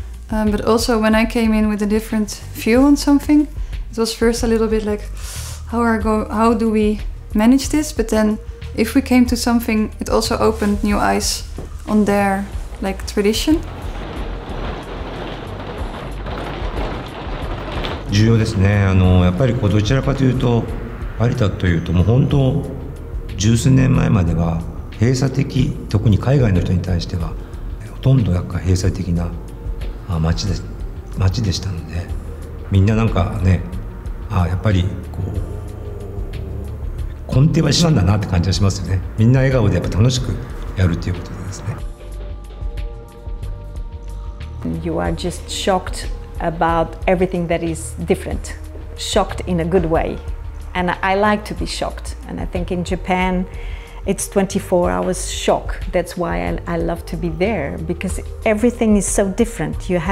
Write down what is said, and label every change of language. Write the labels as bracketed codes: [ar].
[en] But also when I came in with a different view on something, it was first a little bit like, how do we manage this? But then if we came to something, it also opened new eyes on their like tradition. [ja] 重要ですね。やっぱりこうどちらかというと有田というともう本当十数年前までは閉鎖的、特に海外の人に対してはほとんどやっぱ閉鎖的な街でしたので、みんななんかね、やっぱりこう根底は一緒なんだなって感じがしますよね。みんな笑顔でやっぱ楽しくやるということですね。 [en] You are just shocked about everything that is different. Shocked in a good way. And I like to be shocked. And I think in Japan it's 24 hours shock. That's why I love to be there, because everything is so different.